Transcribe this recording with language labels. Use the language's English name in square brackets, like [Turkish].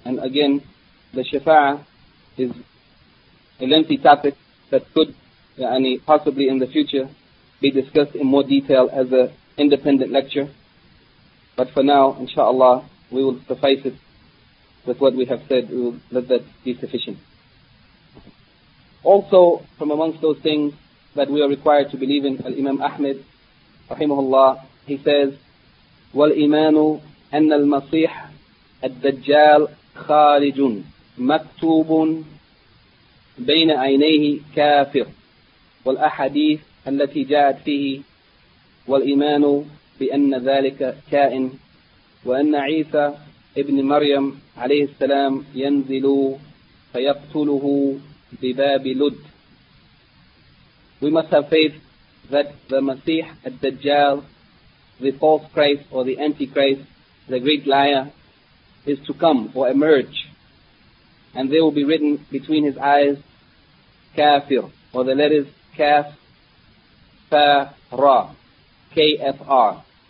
[English] And again, the Shafa'ah is a lengthy topic that could possibly in the future be discussed in more detail as an independent lecture. But for now, inshallah, we will suffice it with what we have said. We will let that be sufficient. Also, from amongst those things that we are required to believe in, Al-Imam Ahmed, rahimahullah, he says, [Arabic] وَالْإِيمَانُ أَنَّ الْمَصِيحَ الدَّجَّالُ خَارِجٌ مَكْتُوبٌ بَيْنَ عَيْنَيْهِ كَافِرٌ وَالْأَحَدِيثُ الَّتِي جَاءَتْ فِيهِ وَالْإِيمَانُ بِأَنَّ ذَلِكَ كَائِنٌ وَأَنَّ عِيسَى ابْنَ مَرْيَمَ عَلَيْهِ السَّلَامُ يَنْزِلُ فَيَقْتُلُهُ بباب لد. [English] We must have faith that the Masih al-Dajjal, the false Christ or the Antichrist, the great liar, is to come or emerge, and there will be written between his eyes kafir, or the letters kaf fa ra kfr.